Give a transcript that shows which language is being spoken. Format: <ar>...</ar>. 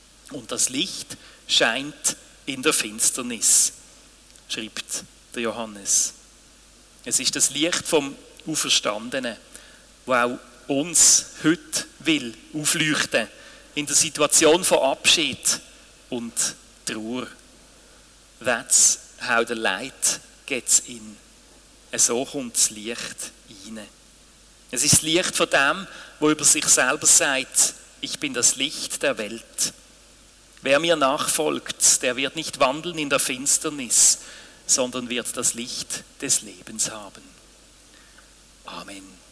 <de>Und das Licht scheint in der Finsternis, schreibt der Johannes. Es ist das Licht vom Auferstandenen, das auch uns heute will aufleuchten, in der Situation von Abschied und Trauer.</de> <en>That's how the light gets in.</en> <de>So kommt das Licht rein. Es ist das Licht von dem, der über sich selber sagt, ich bin das Licht der Welt. Wer mir nachfolgt, der wird nicht wandeln in der Finsternis, sondern wird das Licht des Lebens haben. Amen.</de>